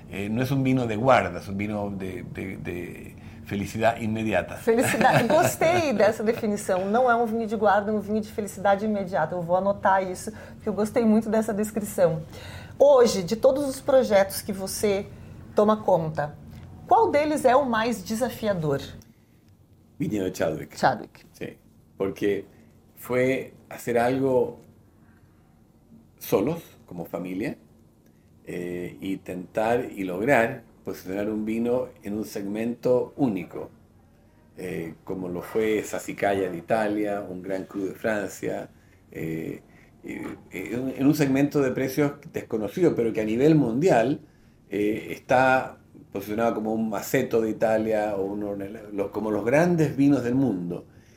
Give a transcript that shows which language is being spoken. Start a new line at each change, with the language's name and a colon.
Spanish: No es un vino de guarda, es un vino de felicidad inmediata. Felicidad.
Portuguese: Gostei dessa definição. Não é um vinho de guarda, é um vinho de felicidade imediata. Eu vou anotar isso, porque eu gostei muito dessa descrição. Hoje, de todos os projetos que você toma conta, qual deles é o mais desafiador? Viñedo Chadwick. Chadwick. Sim.
Spanish: porque fue hacer algo solos, como familia, y tentar y lograr posicionar un vino en un segmento único, como lo fue Sassicaia de Italia, un Gran Cru de Francia, en un segmento de precios desconocido, pero que a nivel mundial está posicionado como un Maceto de Italia, o como los grandes vinos del mundo.